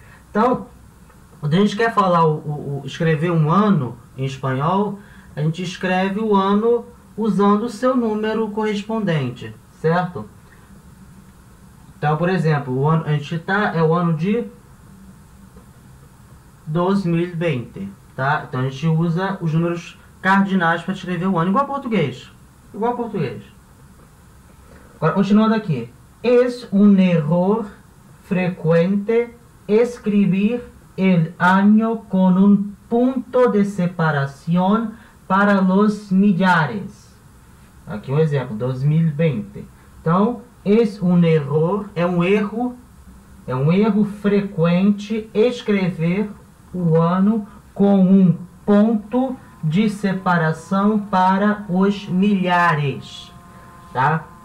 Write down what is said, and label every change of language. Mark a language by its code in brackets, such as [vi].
[pt] Então, quando a gente quer falar, escrever um ano em espanhol, a gente escreve o ano usando o seu número correspondente, certo? Então, por exemplo, o ano a gente está é o ano de 2020, tá? Então, a gente usa os números cardinais para escrever o ano, igual português. Igual português. Agora, continuando aqui. [es] Es un error frecuente escribir el año con un punto de separación para los millares. [pt] Aqui um exemplo, 2020. Então, [es] es un error, [pt] é um erro frequente escrever o ano com um ponto de separação para os milhares, tá?